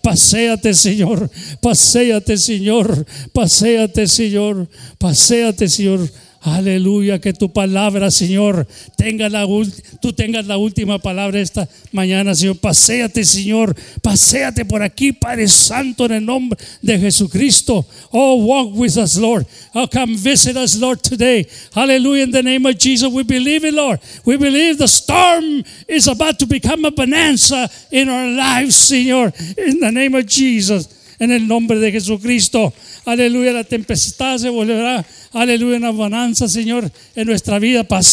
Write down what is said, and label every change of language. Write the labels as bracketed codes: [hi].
[es] Paséate, Señor. Paséate, Señor. Paséate, Señor. Paséate, Señor. Aleluya, que tu palabra, Señor, tengas la última palabra esta mañana, Señor. Paséate, Señor, paséate por aquí, Padre Santo, en el nombre de Jesucristo. [en] Oh, walk with us, Lord. Oh, come visit us, Lord, today. Aleluya, in the name of Jesus, we believe it, Lord. We believe the storm is about to become a bonanza in our lives, Señor, in the name of Jesus. [es] En el nombre de Jesucristo, aleluya, la tempestad se volverá, aleluya, una bonanza, Señor, en nuestra vida.